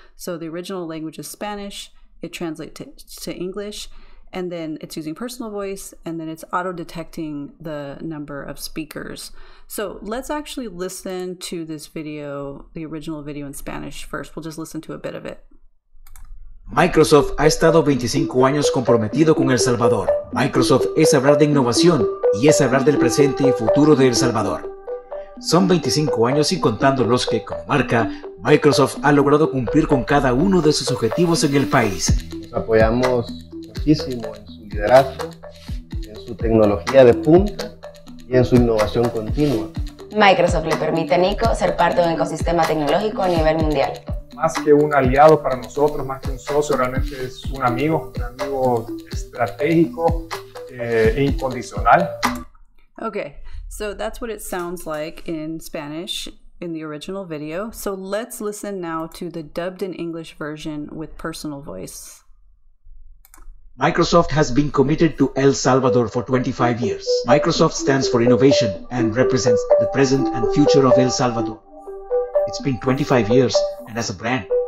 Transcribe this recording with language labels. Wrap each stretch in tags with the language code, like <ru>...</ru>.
<en>So the original language is Spanish, it translates to English, and then it's using personal voice, and then it's auto-detecting the number of speakers. So let's actually listen to this video, the original video in Spanish first. We'll just listen to a bit of it.</en> <es>Microsoft ha estado 25 años comprometido con El Salvador. Microsoft es hablar de innovación y es hablar del presente y futuro de El Salvador. Son 25 años y contando los que, como marca, Microsoft ha logrado cumplir con cada uno de sus objetivos en el país. Nos apoyamos muchísimo en su liderazgo, en su tecnología de punta y en su innovación continua. Microsoft le permite a Nico ser parte de un ecosistema tecnológico a nivel mundial. Más que un aliado para nosotros, más que un socio, realmente es un amigo estratégico e incondicional.</es> <en>Okay, so that's what it sounds like in Spanish in the original video. So let's listen now to the dubbed in English version with personal voice. Microsoft has been committed to El Salvador for 25 years. Microsoft stands for innovation and represents the present and future of El Salvador. It's been 25 years, and as a brand,</en>